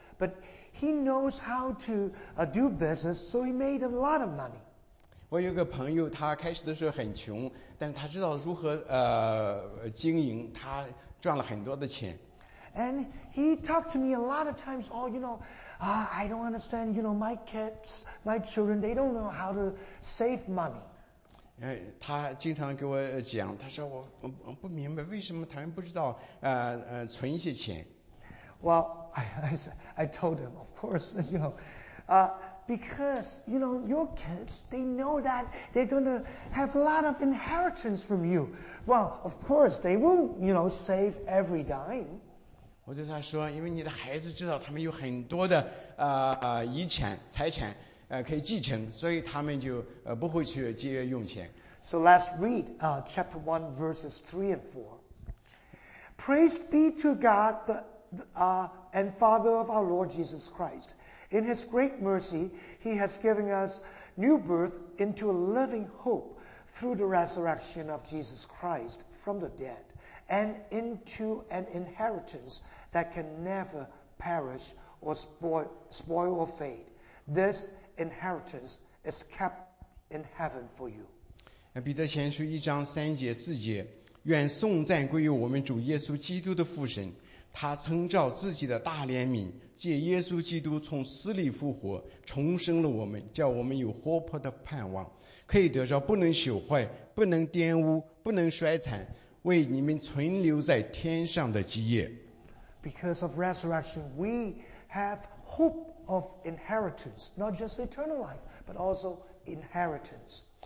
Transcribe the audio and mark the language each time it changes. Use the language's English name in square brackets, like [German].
[English] But he knows how to do business, so he made a lot of money. [Chinese] 我有个朋友，他开始的时候很穷，但他知道如何经营，他赚了很多的钱。 [English] And he talked to me a lot of times. Oh, you know, I don't understand. You know, my kids, my children, they don't know how to save money. [Chinese] 他经常给我讲，他说我不明白为什么他们不知道存一些钱。 [English] Well, I told him, of course, you know, because you know your kids, they know that they're gonna have a lot of inheritance from you. Well, of course, they won't, you know, save every dime. [Chinese] 我对他说，因为你的孩子知道他们有很多的遗产财产。可以继承，所以他们就不会去节约用钱。 [English] So let's read chapter 1 verses 3 and 4. Praise be to God and Father of our Lord Jesus Christ. In his great mercy, he has given us new birth into a living hope through the resurrection of Jesus Christ from the dead and into an inheritance that can never perish or spoil or fade. This inheritance is kept in heaven for you. [Chinese] 彼得前书一章三节四节，愿颂赞归于我们主耶稣基督的父神，他称照自己的大怜悯，借耶稣基督从死里复活，重生了我们，叫我们有活泼的盼望，可以得着不能朽坏、不能玷污、不能衰残，为你们存留在天上的基业。 [English] Because of resurrection, we have hope of inheritance, not just eternal life, but also inheritance.